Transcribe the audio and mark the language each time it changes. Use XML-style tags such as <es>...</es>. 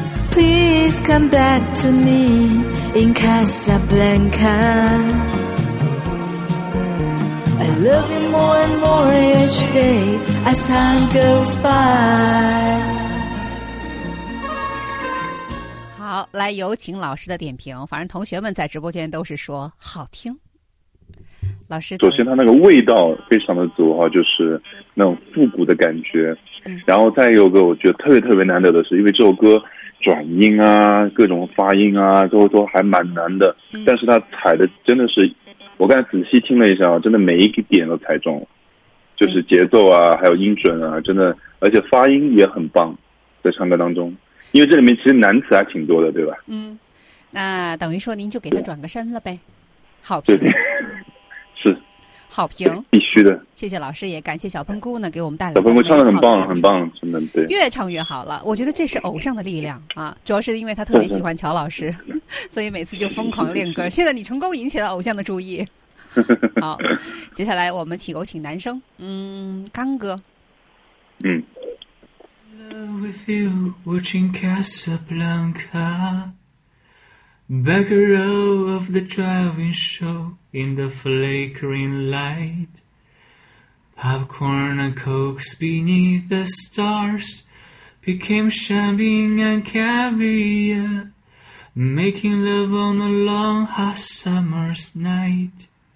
<en>Please come back to meIn Casablanca, I love you more and more each day as time goes by.</en> <zh>好，来有请老师的点评。反正同学们在直播间都是说好听。老师，首先他那个味道非常的足哈，就是那种复古的感觉。然后再有个我觉得特别特别难得的是，因为这首歌。转音啊，各种发音啊，都还蛮难的。但是他踩的真的是，我刚才仔细听了一下，真的每一个点都踩中了，就是节奏啊，还有音准啊，真的，而且发音也很棒，在唱歌当中，因为这里面其实难词还挺多的，对吧？嗯，那等于说您就给他转个身了呗，好评。对对，是。好评，必须的。谢谢老师，也感谢小喷菇呢，给我们带来的。小喷菇唱得很棒，很棒，真的，对。越唱越好了，我觉得这是偶像的力量啊！主要是因为他特别喜欢乔老师，所以每次就疯狂练歌。现在你成功引起了偶像的注意。好，接下来我们请有请男生，刚哥。嗯。</zh> <en>Back a row of the driving show in the flickering light. Popcorn and cokes beneath the stars became champagne and caviar, making love on a long hot summer's night.</en>